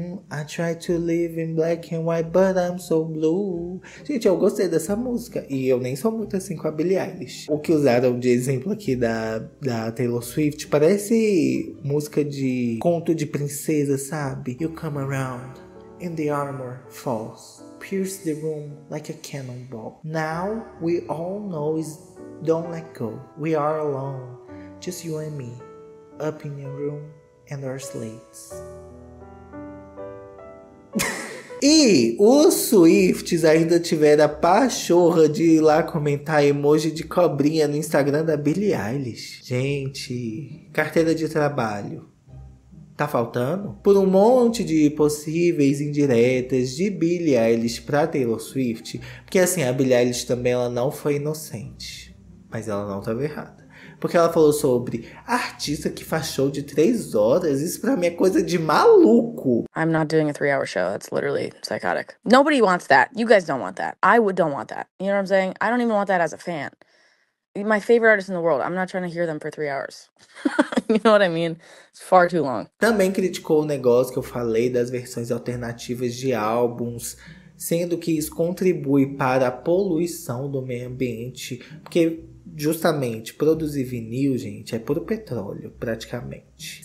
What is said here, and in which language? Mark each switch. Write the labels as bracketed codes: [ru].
[en] I try to live in black and white, but I'm so blue. [pt] Gente, eu gostei dessa música. E eu nem sou muito assim com a Billie Eilish. O que usaram de exemplo aqui da Taylor Swift parece música de conto de princesa, sabe? [en] You come around and the armor falls. Pierce the room like a cannonball. Now we all know is don't let go. We are alone. Just you and me. Up in your room and our slates. [pt] E os Swifts ainda tiveram a pachorra de ir lá comentar emoji de cobrinha no Instagram da Billie Eilish. Gente, carteira de trabalho. Tá faltando? Por um monte de possíveis indiretas de Billie Eilish pra Taylor Swift. Porque assim, a Billie Eilish também ela não foi inocente. Mas ela não tava errada. Porque ela falou sobre artista que faz show de 3 horas. Isso pra mim é coisa de maluco. [en] I'm not doing a 3-hour show. That's literally psychotic. Nobody wants that. You guys don't want that. I don't want that. You know what I'm saying? I don't even want that as a fan. My favorite artist in the world. I'm not trying to hear them for 3 hours. You know what I mean? It's far too long. [pt] Também criticou o negócio que eu falei das versões alternativas de álbuns, sendo que isso contribui para a poluição do meio ambiente, porque justamente produzir vinil, gente, é puro petróleo, praticamente.